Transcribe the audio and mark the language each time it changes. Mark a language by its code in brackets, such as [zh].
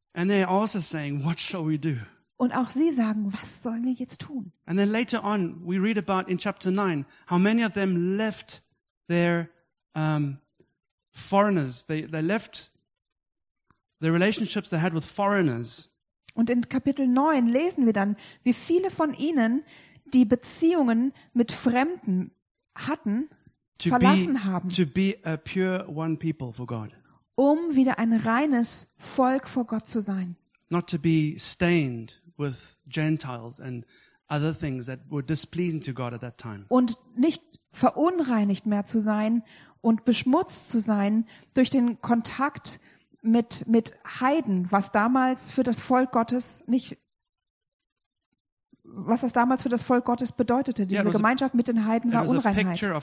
[en] And they are also saying, what shall we do? [de] Und auch sie sagen, was sollen wir jetzt tun? [en] And then later on, we read about in chapter 9, how many of them left their foreigners. They left the relationships they had with foreigners. [de] Und in Kapitel 9 lesen wir dann, wie viele von ihnen die Beziehungen mit Fremden hatten, verlassen haben, [en] to be a pure one people for God. [de] Um wieder ein reines Volk vor Gott zu sein. [en] Not to be stained with Gentiles and other things that were displeasing to God at that time. [de] Und nicht verunreinigt mehr zu sein und beschmutzt zu sein durch den Kontakt mit Heiden, was damals für das Volk Gottes nicht was das damals für das Volk Gottes bedeutete. Diese Gemeinschaft mit den Heiden war Unreinheit.